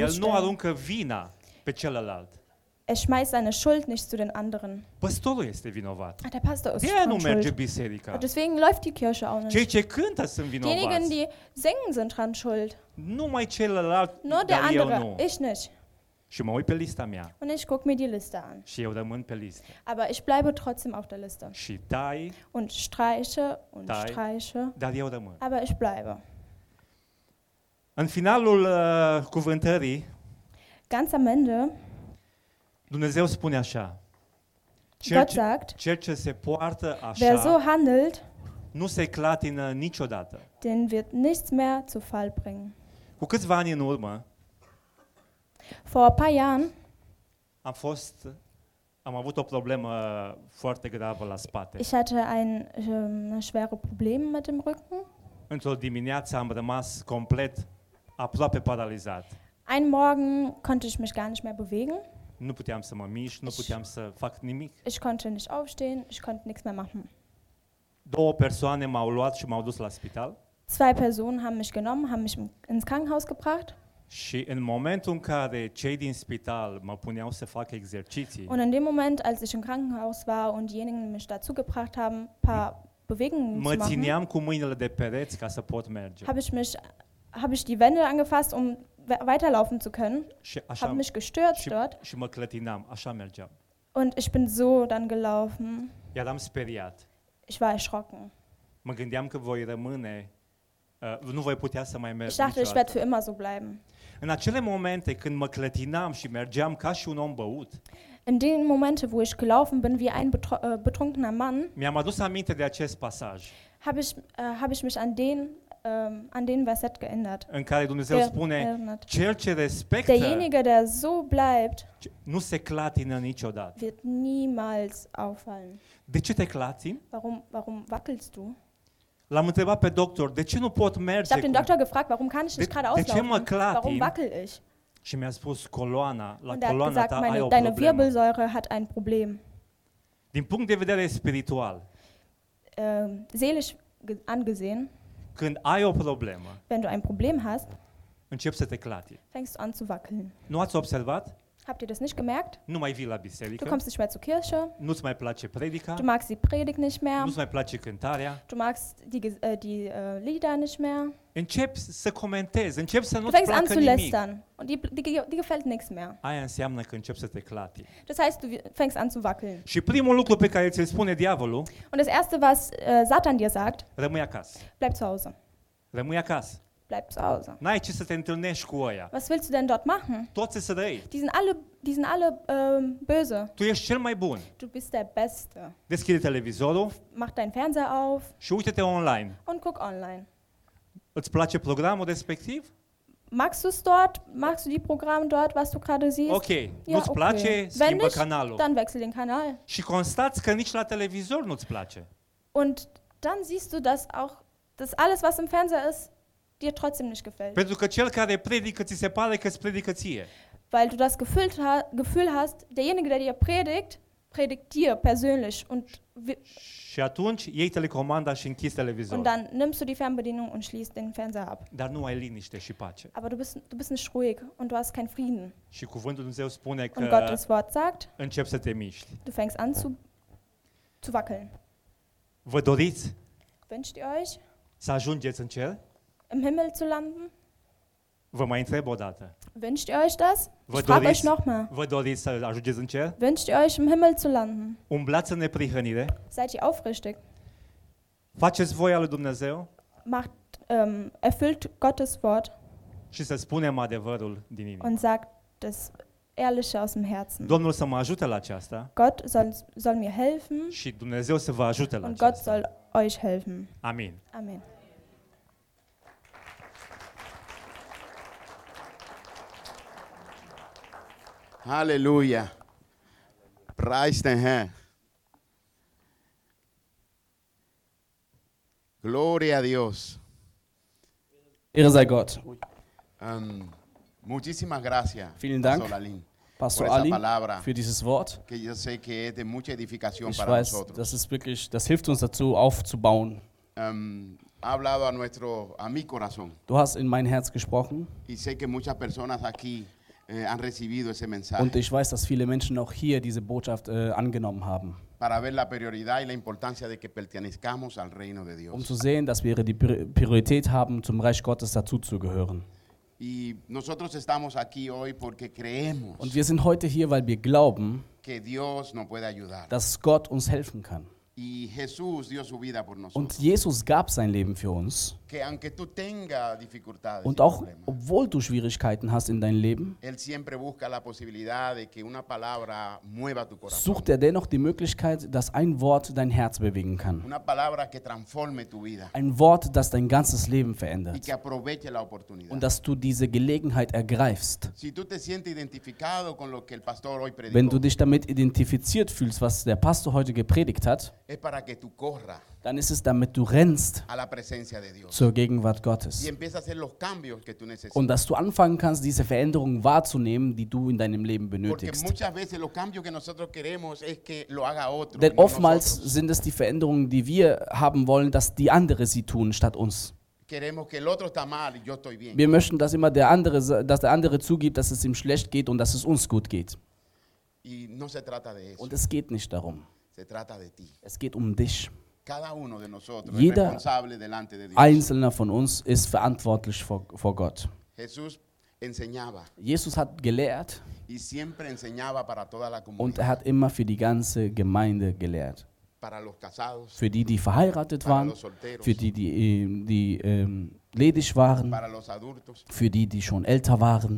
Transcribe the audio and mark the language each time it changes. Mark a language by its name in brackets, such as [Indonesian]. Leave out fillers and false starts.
[Romanian] El nu aruncă vina pe celălalt. [German] Er schmeißt seine Schuld nicht zu den anderen. [Romanian] Pastorul este vinovat. [German] Ah, der Pastor ist schuld. [Romanian] Nu merge biserica. [German] Deswegen läuft die Kirche auch nicht. [Romanian] Cei ce cântă sunt vinovați. [German] Diejenigen, die singen, sind dran schuld. [Romanian] Numai celălalt, [German] nur der andere, ich nicht. [Romanian] Și mă uit pe lista mea. [German] Und ich guck mir die Liste an. [Romanian] Și eu rămân pe listă. [German] Aber ich bleibe trotzdem auf der Liste. [Romanian] Și tai. [German] Und streiche und tai, streiche. [Romanian] Dar eu rămân. [German] Aber ich bleibe. [Romanian] În finalul cuvântării. [German] Ganz am Ende. [Romanian] Dumnezeu spune așa. Cel ce se poartă așa. [German] Wer so handelt, [Romanian] nu se clatină niciodată. [German] Den wird nichts mehr zu Fall bringen. [Romanian] Cu câțiva ani în urmă. [German] Vor ein paar Jahren. [Romanian] Am avut o problemă foarte gravă la spate. [German] Ich hatte ein schwere Problem mit dem Rücken. [Romanian] Într-o dimineață am rămas complet aproape paralizat. [German] Ein Morgen konnte ich mich gar nicht mehr bewegen. [Romanian] Nu puteam să mă mișc, nu puteam să fac nimic. [German] Ich konnte nicht aufstehen, ich konnte nichts mehr machen. [Romanian] Două persoane m-au luat și m-au dus la spital. [German] Zwei Personen haben mich genommen, haben mich ins Krankenhaus gebracht. [Romanian] Și în momentul în care cei din spital mă puneau să fac exerciții. [German] Und in dem Moment, als ich im Krankenhaus war und diejenigen mich dazu gebracht haben, paar Bewegungen zu machen. [Romanian] Mă țineam cu mâinile de pereți ca să pot merge. [German] Habe ich die Wände angefasst, um weiterlaufen zu können, habe mich gestürzt dort [Romanian] și mă clătinam, așa mergeam. [German] Und ich bin so dann gelaufen. [Romanian] Iar am speriat. [German] Ich war erschrocken. [Romanian] Mă gândeam că voi rămâne, nu voi putea să mai merg. [German] Ich dachte, ich werde für immer so bleiben. [Romanian] În acele momente când mă clătinam și mergeam ca și un om băut, [German] in den Momente, wo ich gelaufen bin wie ein betrunkener Mann, [Romanian] mi-am adus aminte de acest pasaj. [German] Habe ich mich an den Verset geändert. [Romanian] În care Dumnezeu spune, cel ce respectă, [German] derjenige, der so bleibt, [Romanian] nu se clatină niciodată. [German] Wird niemals auffallen. [Romanian] De ce te clatin? [German] Warum wackelst du? [Romanian] L-am întrebat pe doctor, de ce nu pot merge? [German] Ich habe den Doktor gefragt, warum kann ich nicht gerade auslaufen? [Romanian] De ce mă clatin? [German] Warum wackel ich? [Romanian] Și mi-a spus coloana, la coloana [German] gesagt, [Romanian] ta ai o problemă. [German] Deine Wirbelsäure hat ein Problem. [Romanian] Din punct de vedere spiritual. [German] Seelisch angesehen. [Romanian] Când ai o problemă. [German] Wenn du ein Problem hast. [Romanian] Începi să te clatin. [German] Fängst du an zu wackeln. [Romanian] Nu ați observat? [German] Habt ihr das nicht gemerkt? [Romanian] Nu mai vii la biserică. [German] Du kommst nicht mehr zur Kirche. [Romanian] Nu-ți mai place predica. [German] Du magst die Predigt nicht mehr. [Romanian] Nu-ți mai place cântarea. [German] Du magst die Lieder nicht mehr. [Romanian] Începi să comentezi, începi să nu-ți placă nimic. Du [German] fängst an zu lästern. Und die gefällt nichts mehr. [Romanian] Aia înseamnă că începi să te clati. [German] Das heißt, du fängst an zu wackeln. [Romanian] Și primul lucru pe care ți-l spune diavolul. [German] Und das erste, was Satan dir sagt. [Romanian] Rămâi acasă. [German] Bleib zu Hause. [Romanian] Rămâi acasă. [German] Bleib zu Hause. [Romanian] N-ai ce să te întâlnești cu aia. [German] Was willst du denn dort machen? [Romanian] Toți sunt răi. [German] Die sind alle böse. [Romanian] Tu ești cel mai bun. [German] Du bist der Beste. [Romanian] Deschide televizorul. [German] Mach deinen Fernseher auf. [Romanian] Și uite-te online. [German] Und guck online. [Romanian] Îți place programul respectiv? [German] Magst du es dort? Magst du die Programme dort, was du gerade siehst? [Romanian] Okay, ja, nu-ți place, okay. Schimbă [German] Wenn nicht, [Romanian] canalul. [German] Dann wechsel den Kanal. [Romanian] Și constați că nici la televizor nu-ți place. [German] Und dann siehst du, dass auch das alles, was im Fernseher ist, dir trotzdem nicht gefällt. [Romanian] Pentru că cel care predică, ți se pare că-ți predică ție. [German] Weil du das Gefühl hast, derjenige, der dir predigt, predigt dir persönlich. Und [Romanian] și atunci iei telecomanda și închizi televizorul. [German] Und dann nimmst du die Fernbedienung und schließt den Fernseher ab. [Romanian] Dar nu ai liniște și pace. [German] Aber du bist nicht ruhig und du hast keinen Frieden. [Romanian] Și cuvântul Dumnezeu spune că [German] und Gottes Wort sagt, [Romanian] începi să te miști. [German] Du fängst an zu wackeln. [Romanian] Vă doriți? [German] Wünscht ihr euch? [Romanian] Să ajungeți în cer? [German] Im Himmel zu landen? [Romanian] Vă mai întreb o dată. [German] Wünscht ihr euch das? [Romanian] Vă doriți, [German] ich frag euch nochmal. [Romanian] Vă doriți să în cer? [German] Wünscht ihr euch im Himmel zu landen? [Romanian] Umblați în neprihănire? [German] Seid ihr aufrichtig? [Romanian] Faceți voia lui Dumnezeu? [German] Macht, erfüllt Gottes Wort? [Romanian] Și să spunem adevărul din inimă. [German] Und sagt das Ehrliche aus dem Herzen. [Romanian] Domnul să mă ajute la aceasta. [German] Gott soll mir helfen. [Romanian] Și Dumnezeu să vă ajute la [German] aceasta. Gott soll euch helfen. [Romanian] Amin. Amin. [German] Halleluja. Preis den Herrn. [Spanish] Gloria a Dios. [German] Ehre sei Gott. [Spanish] Muchísimas gracias, [German] vielen Dank, [Spanish] Pastor Ali, palabra, [German] für dieses Wort. [Spanish] Que yo sé que es de mucha edificación [German] ich [Spanish] para [German] weiß, [Spanish] nosotros. [German] Das ist wirklich, das hilft uns dazu, aufzubauen. [Spanish] Ha hablado a nuestro, a mi corazón. [German] Du hast in mein Herz gesprochen. [Spanish] Y sé que muchas personas aquí han recibido ese mensaje. [German] Und ich weiß, dass viele Menschen auch hier diese Botschaft angenommen haben. [Spanish] Para ver la prioridad y la importancia de que pertenezcamos al reino de Dios. [German] Um zu sehen, dass wir die Priorität haben, zum Reich Gottes dazuzugehören. [Spanish] Y nosotros estamos aquí hoy porque creemos. [German] Und wir sind heute hier, weil wir glauben, [Spanish] que Dios nos puede ayudar. [German] Dass Gott uns helfen kann. [Spanish] Y Jesús dio su vida por nosotros. [German] Und Jesus gab sein Leben für uns. [Spanish] Que aunque tú tenga dificultades [German] und auch, problemas, obwohl du Schwierigkeiten hast in deinem Leben, [Spanish] él siempre busca la posibilidad de que una palabra mueva tu corazón. [German] Sucht er dennoch die Möglichkeit, dass ein Wort dein Herz bewegen kann. [Spanish] Una palabra que transforme tu vida. [German] Ein Wort, das dein ganzes Leben verändert. [Spanish] Y que aproveche la oportunidad. [German] Und dass du diese Gelegenheit ergreifst. [Spanish] Si tú te sientes identificado con lo que el pastor hoy predicó, [German] wenn du dich damit identifiziert fühlst, was der Pastor heute gepredigt hat, [Spanish] es para que tú corra. [German] Dann ist es, damit du rennst [Spanish] a la presencia de Dios. [German] Zur Gegenwart Gottes. [Spanish] Y empieza a hacer los cambios que tú necesitas. [German] Und dass du anfangen kannst, diese Veränderungen wahrzunehmen, die du in deinem Leben benötigst. [Spanish] Porque muchas veces los cambios que nosotros queremos es que lo haga otro. [German] Denn oftmals sind es die Veränderungen, die wir haben wollen, dass die andere sie tun statt uns. [Spanish] Queremos que el otro está mal y yo estoy bien. [German] Wir möchten, dass immer der andere, dass der andere zugibt, dass es ihm schlecht geht und dass es uns gut geht. [Spanish] Y no se trata de eso. [German] Und es geht nicht darum. [Spanish] Se trata de ti. [German] Es geht um dich. [Spanish] Cada uno de nosotros [German] jeder [Spanish] es responsable delante de Dios. [German] Einzelner von uns ist verantwortlich vor Gott. [Spanish] Jesús enseñaba. [German] Jesus hat gelehrt [Spanish] y siempre enseñaba para toda la comunidad. [German] Und er hat immer für die ganze Gemeinde gelehrt. [Spanish] Para los casados, [German] für die verheiratet [Spanish] para [German] waren, [Spanish] los solteros, [German] für die, die ledig waren, [Spanish] para los adultos, [German] für die schon älter waren